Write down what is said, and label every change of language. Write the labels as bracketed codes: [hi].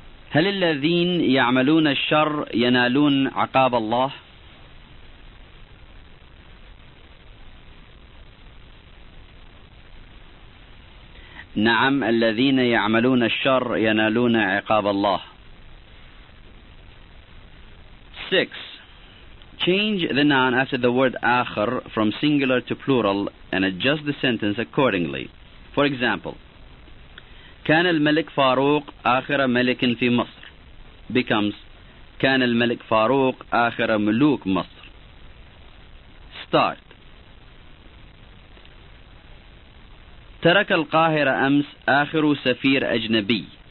[ar] هل الذين يعملون الشر ينالون عقاب الله؟ نعم، الذين يعملون الشر ينالون عقاب الله. 6. [en] Change the noun after the word آخر from singular to plural and adjust the sentence accordingly. For example, [ar] كان الملك فاروق آخر ملك في مصر [en] becomes [ar] كان الملك فاروق آخر ملوك مصر. [en] Start. [ar] ترك القاهرة أمس آخر سفير أجنبي.